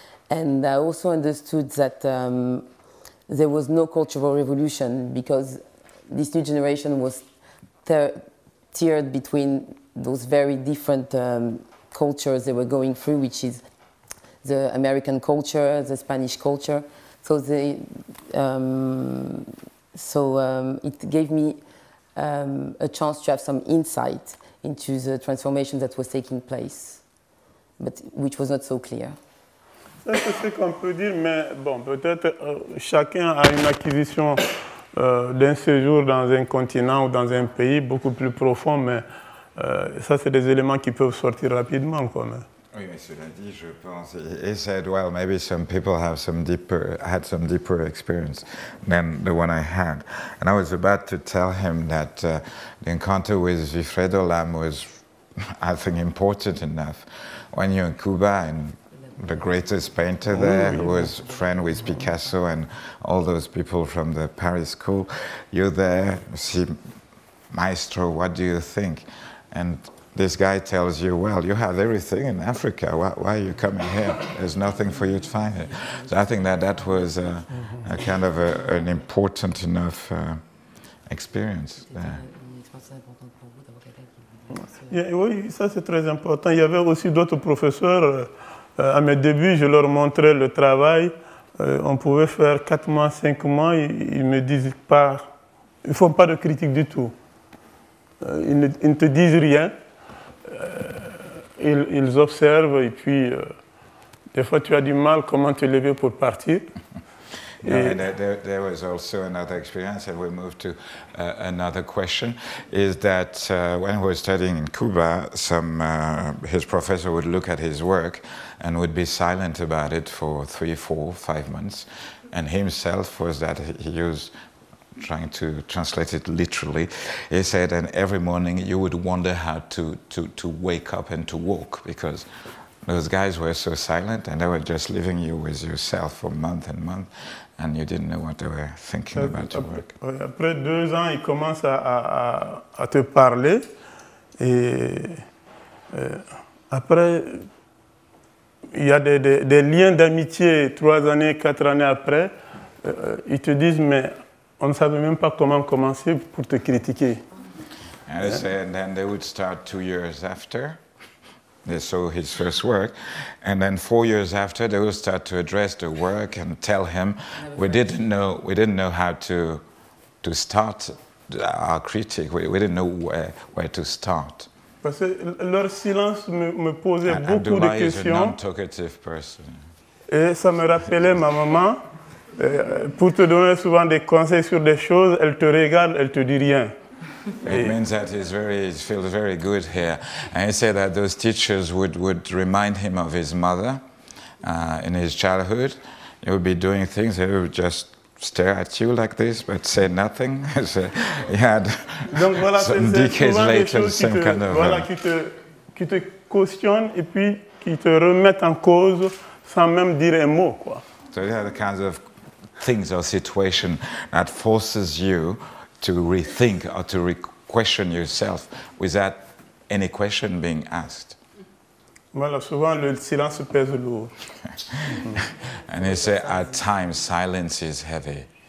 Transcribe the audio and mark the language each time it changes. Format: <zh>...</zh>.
<en>And I also understood that there was no cultural revolution because this new generation was teared between those very different cultures they were going through, which is the American culture, the Spanish culture. So it gave me a chance to have some insight into the transformation that was taking place, but which was not so clear.</en> <fr>C'est ce qu'on peut dire, mais bon, peut-être chacun a une acquisition d'un séjour dans un continent ou dans un pays beaucoup plus profond, mais ça, c'est des éléments qui peuvent sortir rapidement, quand même. Oui, mais cela dit, je pense,</fr> <en>he said, well, maybe some people have had some deeper experience than the one I had. And I was about to tell him that the encounter with Wilfred Olam was, I think, important enough. When you're in Cuba and the greatest painter there, who was friend with Picasso and all those people from the Paris school, you're there, see, maestro, what do you think? And this guy tells you, well, you have everything in Africa. Why are you coming here? There's nothing for you to find here. So I think that was an important enough experience there.</en> <fr>Yeah, oui, ça c'est très important. Il y avait aussi d'autres professeurs. À mes débuts, je leur montrais le travail. On pouvait faire 4 mois, 5 mois. Ils me disent pas. Ils font pas de critique du tout. Ils ne te disent rien. Ils observent et puis des fois tu as du mal comment te lever pour partir.</fr> <en>And there was also another experience, and we moved to another question, is that when he was studying in Cuba, his professor would look at his work and would be silent about it for 3, 4, 5 months. And himself was that he was trying to translate it literally. He said, and every morning you would wonder how to wake up and to walk, because those guys were so silent and they were just leaving you with yourself for month and month, and you didn't know what they were thinking about your work.</en> <fr>Après 2 ans, ils commencent à te parler, et après, il y a des liens d'amitié 3 années, 4 années après, ils te disent, mais on ne savait même pas comment commencer pour te critiquer.</fr> <en>And then they would start 2 years after. They saw his first work, and then 4 years after, they would start to address the work and tell him, "We didn't know how to start our critique. We didn't know where to start."</en> <fr>Parce que leur silence me posait beaucoup de questions.</fr> <en>Abdullah is a non-talkative person.</en> <fr>Et ça me rappelait ma maman. Pour te donner souvent des conseils sur des choses, elle te regarde, elle te dit rien.</fr> <en>It means that he feels very good here. And he said that those teachers would remind him of his mother in his childhood. He would be doing things, he would just stare at you like this, but say nothing. So he had</en> <fr>donc voilà,</fr> <en>some decades later, same kind of...</en> <fr>Voilà, qui te questionne et puis qui te remet en cause sans même dire un mot, quoi.</fr> <en>So these are the kinds of things or situation that forces you to rethink or to question yourself without any question being asked.</en> <fr>Voilà, souvent le silence pèse lourd.</fr> <en>And he said, at times, silence is heavy.</en>